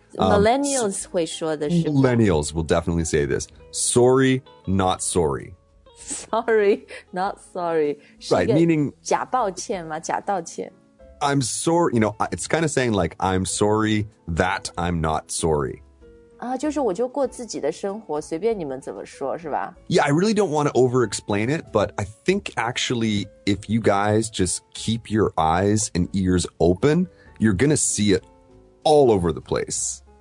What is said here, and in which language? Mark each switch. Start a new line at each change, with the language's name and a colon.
Chinese: Millennials 会说的是
English: Millennials will definitely say this. Sorry, not sorry. Sorry, not sorry. Right, meaning...
Chinese: 假抱歉吗假道歉
English: I'm sorry, you know, it's kind of saying like, I'm sorry that I'm not sorry.
Chinese: 啊、就是我就过自己的生活随便你们怎么说是吧
English: Yeah, I really don't want to over-explain it, but I think actually if you guys just keep your eyes and ears open, you're going to see itall over the place.